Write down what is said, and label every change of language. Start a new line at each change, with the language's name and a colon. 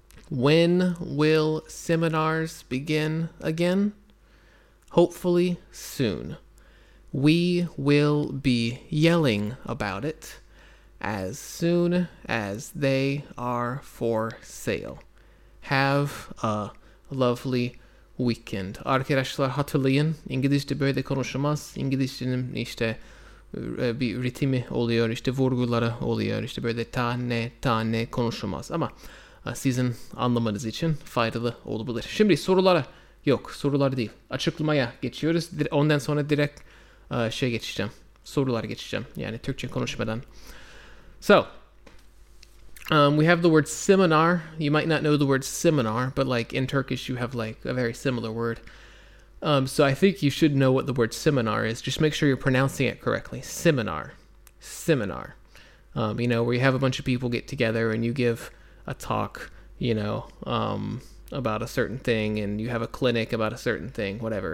English: When will seminars begin again? Hopefully soon. We will be yelling about it as soon as they are for sale. Have a lovely weekend.
Turkish: Arkadaşlar hatırlayın, İngilizce böyle konuşamaz. İngilizcenin işte bir ritmi oluyor, işte vurguları oluyor, işte böyle tane tane konuşulmaz ama sizin anlamanız için faydalı olabilir. Şimdi sorulara, yok sorular değil, açıklamaya geçiyoruz. Ondan sonra direkt şey geçeceğim, sorular geçeceğim yani Türkçe konuşmadan.
English: So, we have the word seminar. You might not know the word seminar, but like in Turkish you have like a very similar word. So I think you should know what the word seminar is. Just make sure you're pronouncing it correctly. Seminar. Seminar. You know, where you have a bunch of people get together and you give a talk, you know, about a certain thing, and you have a clinic about a certain thing, whatever.